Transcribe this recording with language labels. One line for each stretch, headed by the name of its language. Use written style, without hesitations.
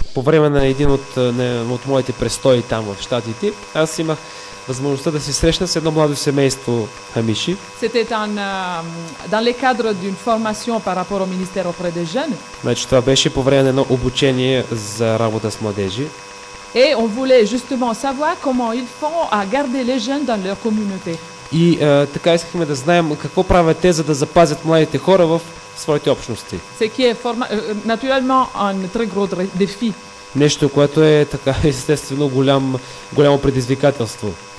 Bulgarian: По време на един от моите престои там в Щатите, аз имах възможността да се срещна с едно младо семейство амиши.
French: C'était dans le cadre d'une formation par rapport au ministère auprès des jeunes.
Bulgarian: Значи това беше по време на едно обучение за работа с младежи.
French: Et on voulait justement savoir comment ils font à garder les jeunes dans leur communauté.
Bulgarian: И така искахме да знаем какво правят те, за да запазят младите хора в своите общности.
French: Ce qui est naturellement un très gros défi.
Bulgarian: Нещо, което е така естествено голямо предизвикателство.